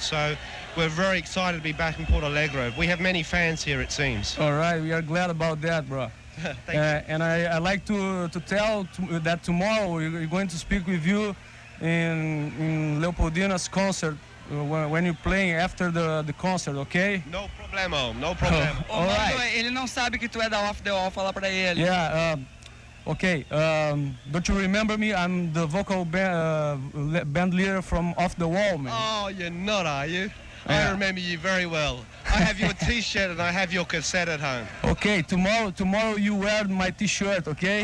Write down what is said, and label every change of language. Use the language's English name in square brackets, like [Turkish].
[English] So we're very excited to be back in Porto Alegre. We have many fans here, it seems. All right, we are glad about that, bro. Thank you. And I like to tell that tomorrow we're going to speak with you in Leopoldina's concert when you're playing after the concert, okay? No problemo, no problemo. All right. [Portuguese] Ele não sabe que tu é da Off the Wall, fala pra ele. [English] Yeah. Okay, don't you remember me? I'm the vocal band leader from Off The Wall, man. Oh, you're not, are you? Yeah. I remember you very well. I have your t-shirt and I have your cassette at home. Okay, tomorrow you wear my t-shirt, okay?